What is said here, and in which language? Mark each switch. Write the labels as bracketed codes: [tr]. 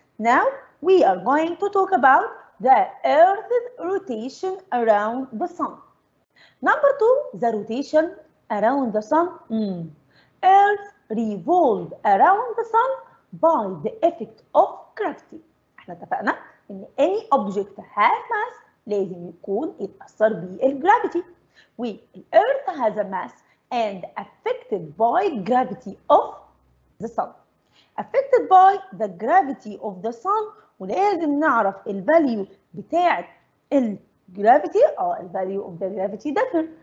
[en] Now we are going to talk about the earth's rotation around the sun. Number two, the rotation around the sun. Earth revolve around the sun by the effect of gravity. [ar] احنا اتفقنا ان [en] any object has mass [ar] لازم يكون يتأثر بالجرافيتي. [en] We, the earth has a mass and affected by gravity of the sun. Affected by the gravity of the sun [ar] ولازم نعرف ال [en] value [ar] بتاع ال [en] gravity [ar] او ال [en] value of the gravity differ.